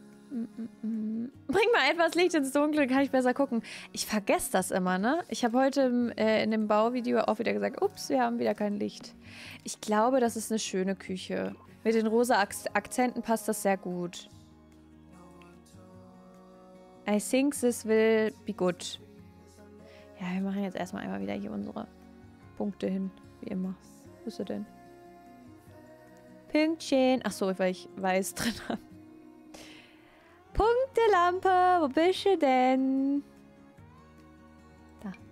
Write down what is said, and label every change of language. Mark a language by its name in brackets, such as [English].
[German] Bring mal etwas Licht ins Dunkle, kann ich besser gucken. Ich vergesse das immer, ne? Ich habe heute in dem Bauvideo auch wieder gesagt, ups, wir haben wieder kein Licht. Ich glaube, das ist eine schöne Küche. Mit den rosa Akzenten passt das sehr gut. [English] I think this will be good. [German] Ja, wir machen jetzt erstmal einmal wieder hier unsere Punkte hin, wie immer. Wo ist er denn? Pünktchen. Ach so, weil ich weiß drin habe. Punktelampe, wo bist du denn? Da.